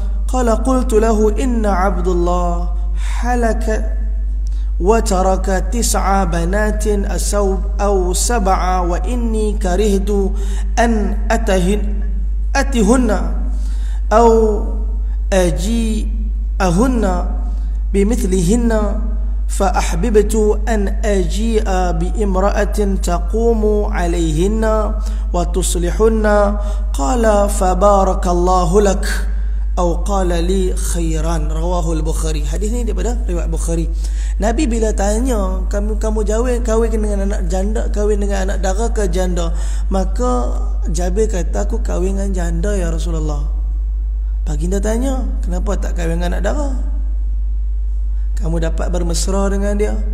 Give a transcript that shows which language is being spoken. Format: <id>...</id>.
<ar>Qala qultu lahu inna 'Abdullah halaka wa taraka 9 banatin aw 7 wa inni karihtu an atihunna aw أجي أهن بمثلهن فأحببت أن أجيء بإمرأة تقوم عليهن وتصلحن. قال فبارك الله لك أو قال لي خيرا. رواه البخاري.</ar> <ms>Hadis ini daripada riwayat Bukhari. Nabi bila tanya, kamu kahwin dengan anak janda, kahwin dengan anak dara ke janda? Maka Jabir kata, aku kahwin dengan janda ya Rasulullah. Baginda tanya, kenapa tak kahwin dengan anak dara? Kamu dapat bermesra dengan dia.</ms>